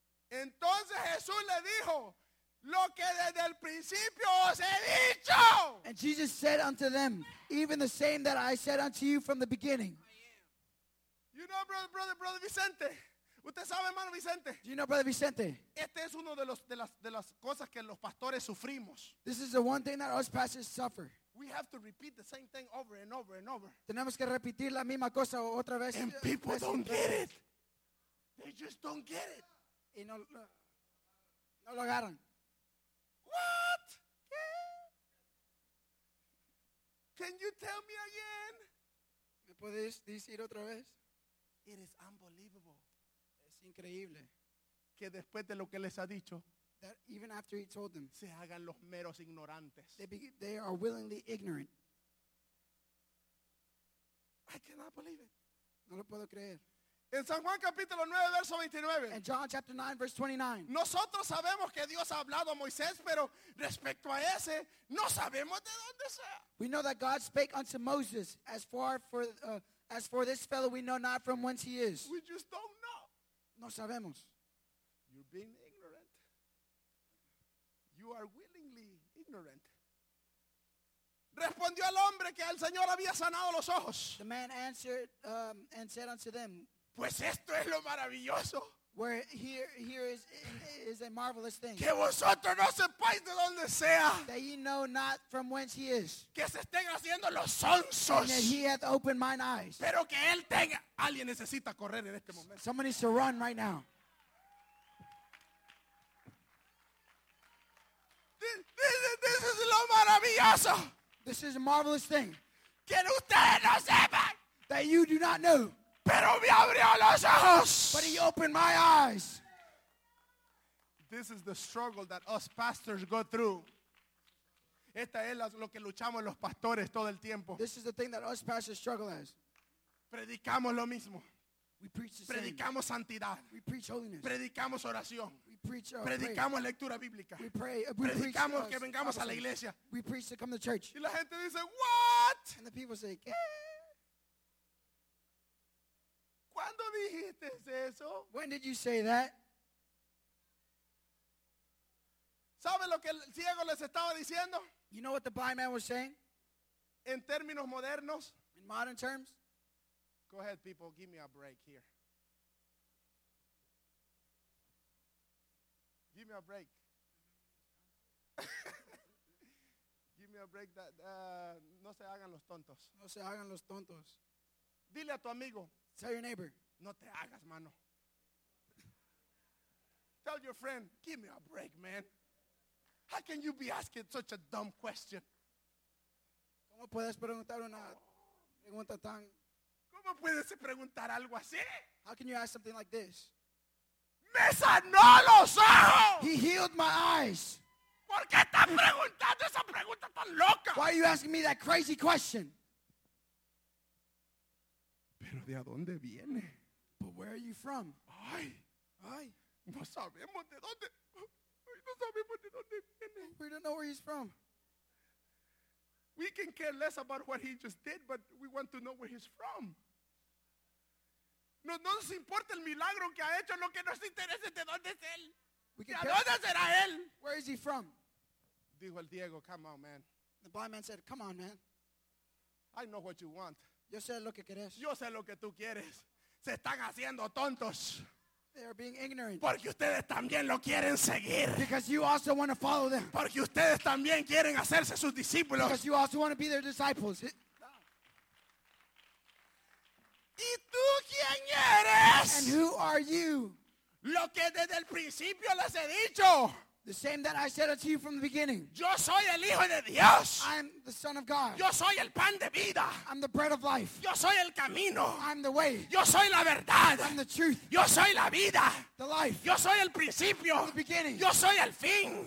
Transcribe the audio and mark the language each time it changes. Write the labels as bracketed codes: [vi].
[es] Entonces Jesús le dijo, lo que desde el principio os he dicho. [en] And Jesus said unto them, even the same that I said unto you from the beginning. You know, brother Vicente. [es] ¿Usted sabe, hermano Vicente? [en] Do you know, brother Vicente? [es] Este es uno de las cosas que los pastores sufrimos. [en] This is the one thing that us pastors suffer. We have to repeat the same thing over and over and over. [es] Tenemos que repetir la misma cosa otra vez. [en] And people don't get it. They just don't get it. [es] Y no lo agarran. [en] What? Can you tell me again? ¿Me puedes decir otra vez? It is unbelievable. [es] Es increíble. Que después de lo que les ha dicho, [en] that even after he told them, [es] se hagan los meros ignorantes. [en] They are willingly ignorant. I cannot believe it. [es] No lo puedo creer. En San Juan capítulo 9, verso 29. [en] In John chapter 9, verse 29. [es] Nosotros sabemos que Dios ha hablado a Moisés, pero respecto a ese, no sabemos de dónde sea. [en] We know that God spake unto Moses. As for this fellow, we know not from whence he is. We just don't know. No sabemos. You're being ignorant. You are willingly ignorant. [es] Respondió al hombre que el Señor había sanado los ojos. [en] The man answered and said unto them, [es] pues esto es lo maravilloso. [en] Where here is a marvelous thing. [es] Que vosotros no sepáis de donde sea. [en] That ye know not from whence he is. [es] Que se estén haciendo los sonsos. [en] And that he hath opened mine eyes. [es] Pero que él tenga. Alguien necesita correr en este momento. [en] Somebody needs to run right now. This is [es] lo maravilloso. [en] This is a marvelous thing. [es] Que ustedes no sepan. [en] That you do not know. [es] Pero me abrió los ojos. [en] But he opened my eyes. This is the struggle that us pastors go through. [es] Esta es lo que luchamos los pastores todo el tiempo. [en] This is the thing that us pastors struggle as. [es] Predicamos lo mismo. [en] We preach the same. [es] Predicamos santidad. [en] We preach holiness. [es] Predicamos oración. [en] We preach [es] predicamos pray. Lectura bíblica. [en] We pray. [es] Predicamos que vengamos a la iglesia. [en] We preach to come to church. [es] Y la gente dice, "What?" [en] And the people say, "Qué?" [es] ¿Cuándo dijiste eso? [en] When did you say that? [es] ¿Sabe lo que el ciego les estaba diciendo? [en] You know what the blind man was saying? [es] En términos modernos. [en] In modern terms. Go ahead, people. Give me a break here. Give me a break. Give me a break. [es] No se hagan los tontos. No se hagan los tontos. Dile a tu amigo. [en] Tell your neighbor. [es] No te hagas, mano. [en] Tell your friend, give me a break, man. How can you be asking such a dumb question? [es] ¿Cómo puedes preguntar una pregunta tan? ¿Cómo puedes preguntar algo así? [en] How can you ask something like this? [es] ¡Me sanó los ojos! [en] He healed my eyes. [es] ¿Por qué estás preguntando esa pregunta tan loca? [en] Why are you asking me that crazy question? [es] ¿Pero de dónde viene? [en] But where are you from? Ay, ay. [es] No sabemos de dónde. No sabemos de dónde viene. [en] We don't know where he's from. We can care less about what he just did, but we want to know where he's from. [es] No nos importa el milagro que ha hecho, lo que nos interesa es de dónde es él. ¿De dónde será él? [en] Where is he from? [es] Dijo el Diego, [en] come on, man. The blind man said, come on, man. I know what you want. [es] Yo sé lo que quieres. Yo sé lo que tú quieres. Se están haciendo tontos. [en] They are being ignorant. [es] Porque ustedes también lo quieren seguir. [en] Because you also want to follow them. [es] Porque ustedes también quieren hacerse sus discípulos. [en] Because you also want to be their disciples. [es] ¿Y tú quién eres? [en] And who are you? [es] Lo que desde el principio les he dicho. [en] The same that I said unto you from the beginning. [es] Yo soy el hijo de Dios. [en] I am the son of God. [es] Yo soy el pan de vida. [en] I'm the bread of life. [es] Yo soy el camino. [en] I'm the way. [es] Yo soy la verdad. [en] I'm the truth. [es] Yo soy la vida. [en] The life. [es] Yo soy el principio. [en] I'm the beginning. [es] Yo soy el fin.